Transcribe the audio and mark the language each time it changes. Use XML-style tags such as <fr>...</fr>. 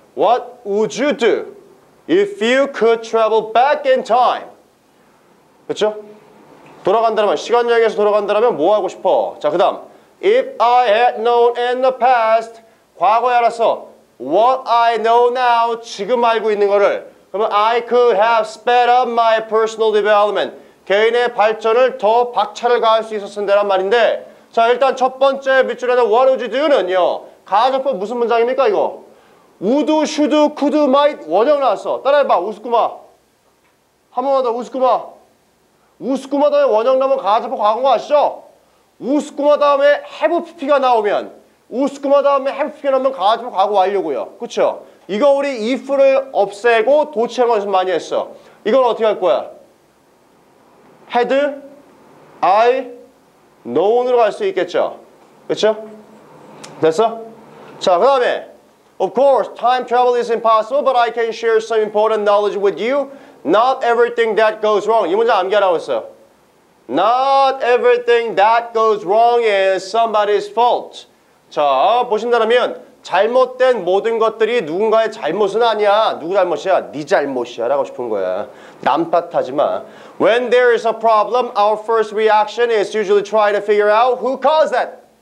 <en>What would you do if you could travel back in time?</en> <ko>그렇죠? 돌아간다면, 시간여행에서 돌아간다면 뭐 하고 싶어? 자, 그 다음</ko> <en>If I had known in the past</en> <ko>과거에 알았어.</ko> <en>What I know now,</en> <ko>지금 알고 있는 거를.</ko> <en>그러면 I could have sped up my personal development.</en> <ko>개인의 발전을 더 박차를 가할 수 있었는데란 말인데. 자, 일단 첫 번째 밑줄에는</ko> <en>What would you do</en> <ko>는요. 가정법 무슨 문장입니까, 이거? Would, should, could, might 원형 나왔어. 따라해봐, 우스꾸마. 한 번만 더, 우스꾸마. 우스꾸마 다음에 원형 나오면 가정법 과거인 거 아시죠? 우스꾸마 다음에 have pp가 나오면 우스꾸마 다음에 have가 나오면 가정법 과거 완료고요. 그쵸? 이거 우리 if를 없애고 도치하는 것을 많이 했어. 이걸 어떻게 할 거야?</ko> <en>had I known</en> <ko>으로 갈 수 있겠죠? 그쵸? 됐어? 자, 그 다음에</ko> <en>Of course, time travel is impossible, but I can share some important knowledge with you. Not everything that goes wrong.</en> <ko>이 문장 암기하라고 했어.</ko> <en>Not everything that goes wrong is somebody's fault.</en> <ko>자, 보신다면 잘못된 모든 것들이 누군가의 잘못은 아니야. 누구 잘못이야? 네 잘못이야 라고 싶은 거야. 남탓하지 마.</ko> <en>When there is a problem, our first reaction is usually try to figure out who caused that.</en>